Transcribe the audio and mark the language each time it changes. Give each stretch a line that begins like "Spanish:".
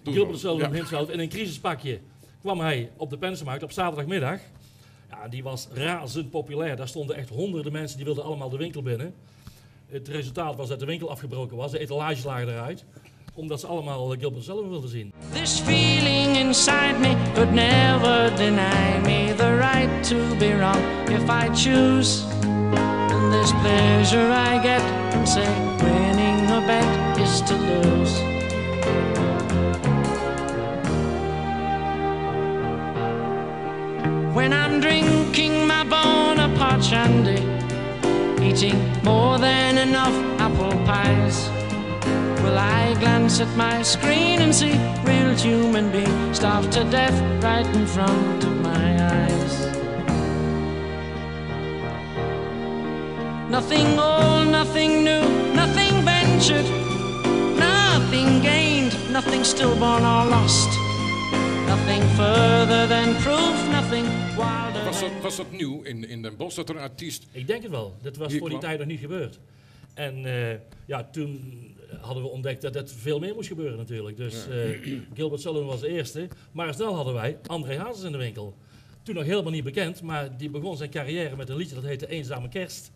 Dutch: Gilbert O'Sullivan heeft geld in een crisispakje. Kwam hij op de Pensermarkt op zaterdagmiddag. Ja, die was razend populair. Daar stonden echt honderden mensen die wilden allemaal de winkel binnen. Het resultaat was dat de winkel afgebroken was. De etalages lagen eruit. Omdat ze allemaal Gilbert zelf wilden zien.
English: This feeling inside me could never deny me the right to be wrong if I choose. And this pleasure I get from say winning a bet is to lose. When I'm drinking my Bonaparte shandy, eating more than enough apple pies, will I glance at my screen and see real human beings starved to death right in front of my eyes? Nothing old, nothing new, nothing ventured, nothing gained, nothing stillborn or lost. Nothing further than proof, nothing wilder.
Dutch: Was dat nieuw in Den Bosch, dat er een artiest... Ik denk het wel. Dat was voor die tijd nog niet gebeurd. En toen hadden we ontdekt dat veel meer moest gebeuren natuurlijk. Dus Gilbert Sullivan was de eerste. Maar snel hadden wij André Hazes in de winkel. Toen nog helemaal niet bekend, maar die begon zijn carrière met een liedje dat heette Eenzame Kerst.